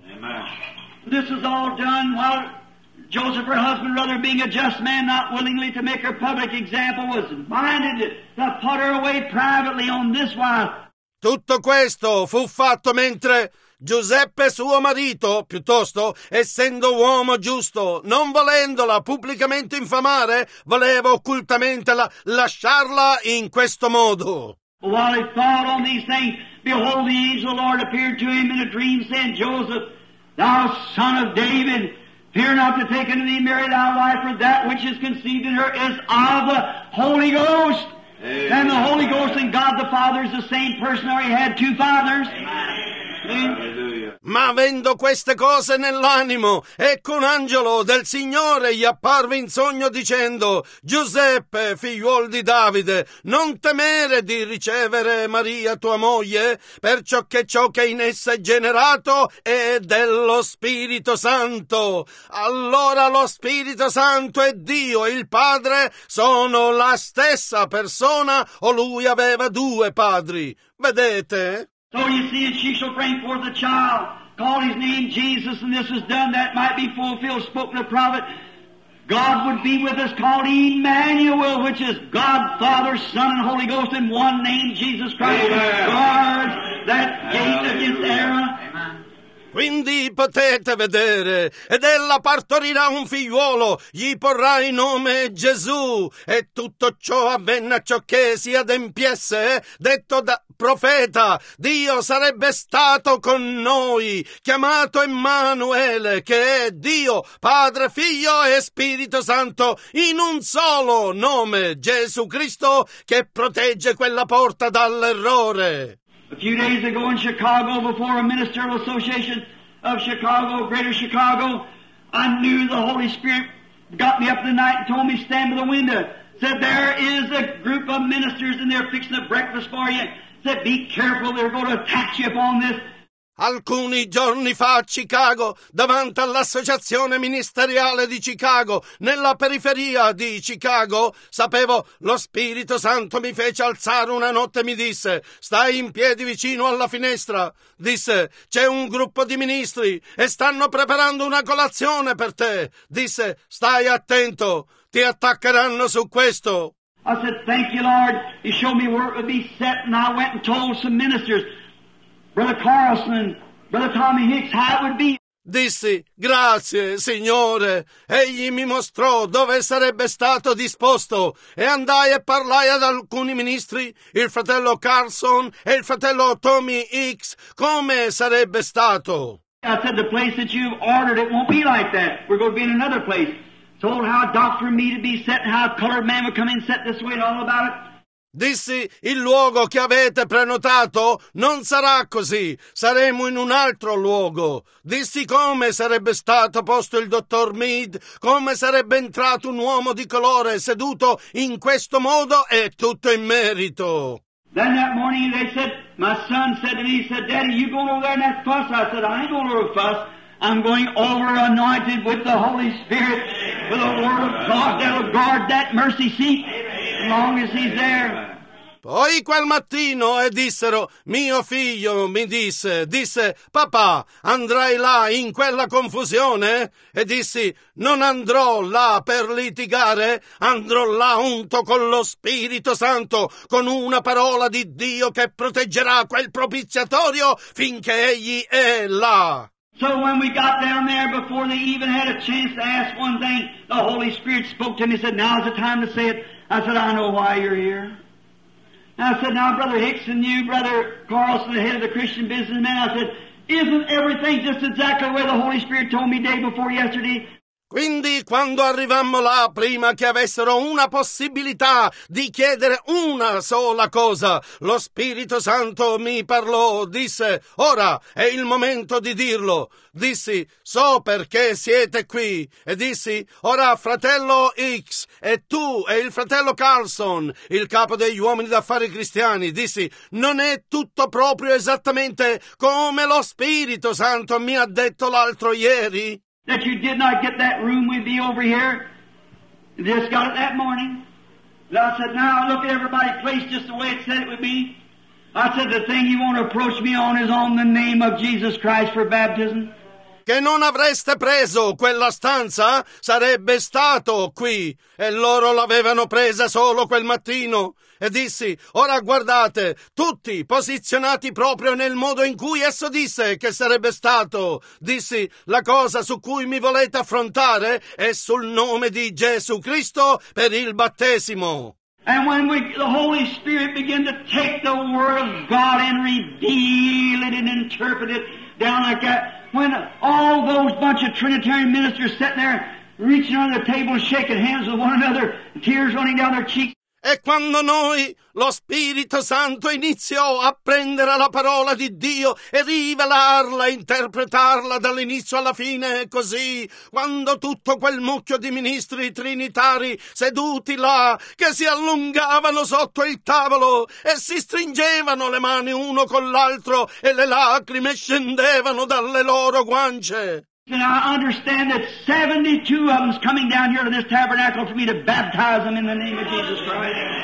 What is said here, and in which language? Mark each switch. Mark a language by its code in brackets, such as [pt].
[en] Amen. This is all done while Joseph, her husband, rather being a just man, not willingly to make her public example, was minded to put her away privately on this wise. [it] Tutto questo fu fatto mentre Giuseppe, suo marito, piuttosto, essendo uomo giusto, non volendola pubblicamente infamare, voleva occultamente lasciarla in questo modo. [en] While he thought on these things, behold, the angel of the Lord appeared to him in a dream, saying, Joseph, thou son of David, fear not to take unto thee Mary thy wife, for that which is conceived in her is of the Holy Ghost. Amen. And the Holy Ghost and God the Father is the same person, or he had two fathers. Amen. [it] Ma avendo queste cose nell'animo, ecco un angelo del Signore gli apparve in sogno dicendo, Giuseppe, figliuol di Davide, non temere di ricevere Maria tua moglie, perciò che ciò che in essa è generato è dello Spirito Santo. Allora lo Spirito Santo e Dio, il Padre, sono la stessa persona, o lui aveva due padri. Vedete? [en] So you see, and she shall bring forth a child, call his name Jesus, and this is done that might be fulfilled, spoken of prophet. God would be with us, called Emmanuel, which is God, Father, Son, and Holy Ghost in one name, Jesus Christ. Guard that gate against error. [it] Quindi potete vedere, ed ella partorirà un figliuolo, gli porrà il nome Gesù, e tutto ciò avvenne a ciò che si adempiesse, detto da profeta, Dio sarebbe stato con noi, chiamato Emmanuele, che è Dio, Padre, Figlio e Spirito Santo, in un solo nome, Gesù Cristo, che protegge quella porta dall'errore. [en] A few days ago in Chicago, before a ministerial association of Chicago, Greater Chicago, I knew the Holy Spirit got me up in the night and told me, stand by the window. Said, there is a group of ministers and they're fixing a breakfast for you. Said, be careful, they're going to attack you upon this. [it] Alcuni giorni fa a Chicago, davanti all'associazione ministeriale di Chicago, nella periferia di Chicago, sapevo, lo Spirito Santo mi fece alzare una notte e mi disse, stai in piedi vicino alla finestra, disse, c'è un gruppo di ministri e stanno preparando una colazione per te, disse, stai attento, ti attaccheranno su questo. [en] I said, thank you Lord, he showed me where it would be set and I went and told some ministers. Brother Carlson, Brother Tommy Hicks, how it would be. [it] Dissi, grazie, Signore. Egli mi mostrò dove sarebbe stato disposto. E andai e parlai ad alcuni ministri, il fratello Carlson e il fratello Tommy Hicks, come sarebbe stato. [en] I said, the place that you've ordered, it won't be like that. We're going to be in another place. Told how a doctor and me to be set, and how a colored man would come in set this way and all about it. [it] Dissi, il luogo che avete prenotato non sarà così, saremo in un altro luogo. Dissi come sarebbe stato posto il dottor Mead, come sarebbe entrato un uomo di colore seduto in questo modo e tutto in merito. [en] Then that morning they said, my son said to me, he said, Daddy, you going over there and that fuss? I said, I ain't going over a fuss. I'm going over anointed with the Holy Spirit, with the Word of God that'll guard that mercy seat as long as he's there. [it] Poi quel mattino e dissero, mio figlio mi disse, papà, andrai là in quella confusione? E dissi, non andrò là per litigare, andrò là unto con lo Spirito Santo, con una parola di Dio che proteggerà quel propiziatorio finché egli è là. [en] So when we got down there, before they even had a chance to ask one thing, the Holy Spirit spoke to me and said, now's the time to say it. I said, I know why you're here. I said, now, Brother Hicks and you, Brother Carlson, the head of the Christian businessmen, I said, isn't everything just exactly where the Holy Spirit told me day before yesterday? [it] Quindi quando arrivammo là, prima che avessero una possibilità di chiedere una sola cosa, lo Spirito Santo mi parlò, disse, ora è il momento di dirlo. Dissi, so perché siete qui. E dissi, ora fratello X e tu e il fratello Carlson, il capo degli uomini d'affari cristiani, dissi, non è tutto proprio esattamente come lo Spirito Santo mi ha detto l'altro ieri? [en] That you did not get that room with me over here. Just got it that morning. And I said, now look at everybody placed just the way it said it would be. I said, the thing you want to approach me on is on the name of Jesus Christ for baptism. [it] Che non avreste preso quella stanza sarebbe stato qui. E loro l'avevano presa solo quel mattino. E dissi, ora guardate, tutti posizionati proprio nel modo in cui esso disse che sarebbe stato. Dissi, la cosa su cui mi volete affrontare è sul nome di Gesù Cristo per il battesimo. [en] And when the Holy Spirit began to take the Word of God and reveal it and interpret it down like that, when all those bunch of Trinitarian ministers sitting there reaching under the table shaking hands with one another, tears running down their cheeks. [it] E quando noi, lo Spirito Santo iniziò a prendere la parola di Dio e rivelarla, interpretarla dall'inizio alla fine, così, quando tutto quel mucchio di ministri trinitari seduti là, che si allungavano sotto il tavolo e si stringevano le mani uno con l'altro e le lacrime scendevano dalle loro guance. [en] And I understand that 72 of them is coming down here to this tabernacle for me to baptize them in the name of Jesus Christ.